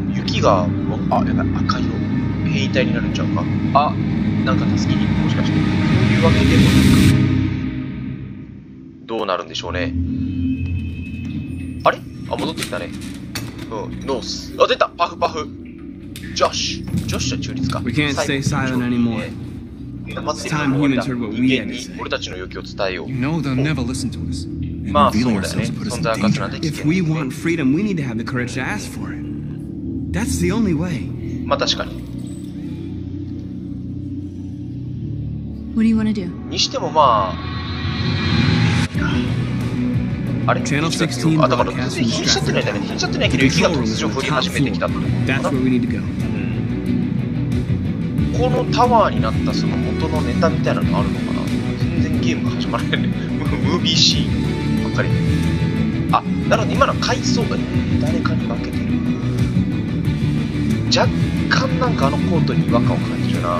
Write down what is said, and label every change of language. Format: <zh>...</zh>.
<ja>雪が、あ、やばい、赤色。兵隊になるんちゃうか。あ、なんか助けに、もしかして。というわけでもなく。どうなるんでしょうね。あれ？あ、戻ってきたね。うん、ノース。あ、出た！パフパフ！ジョッシュ！ジョッシュは中立か。</ja> <en>We can't stay silent anymore. It's time humans heard what we had to say.</en> <ja>俺たちの要求を伝えよう。</ja> <en>You know they'll never listen to us.</en> <ja>まあ、そうだね。存在価値なんて聞けない。</ja> <en>If we want freedom, we need to have the courage to ask for it. That's the only way.</en> <ja>まあ、確かに。</ja> <en>What do you want to do?</en> <ja>にしてもまあ、あれ</ja> <en>Channel 16 broadcast from Stratford. The control room is on the top floor. That's where we need to go.</en> <ja>このタワーになったその元のネタみたいなのあるのかな？全然ゲームが始まらないね。ムービーシーンばっかり。あ、なるほど、今の階層が誰かに負けてる。若干なんかあのコートに違和感を感じるな。</ja>